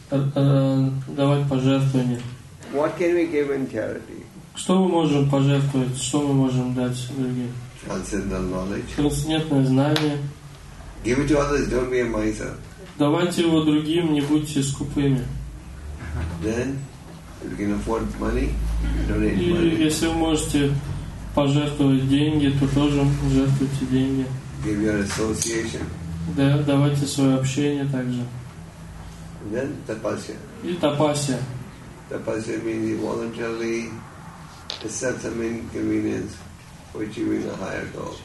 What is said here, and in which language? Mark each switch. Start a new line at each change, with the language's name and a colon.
Russian: Давать пожертвования.
English: What can we give in charity?
Russian: Что мы можем пожертвовать? Что мы можем дать другим?
English: Transcendental knowledge.
Russian: Трансцендентное знание.
English: Give it to others. Don't be a miser.
Russian: Давайте его другим, не будьте скупыми.
English: Then, if you can afford money, donate money.
Russian: И если вы можете пожертвовать деньги, то тоже жертвуйте деньги.
English: Give your association.
Russian: Да, давайте свое общение также.
English: Then tapasya.
Russian: И тапасия.
English: Tapasya means you voluntarily accept some inconvenience for achieving a higher goal.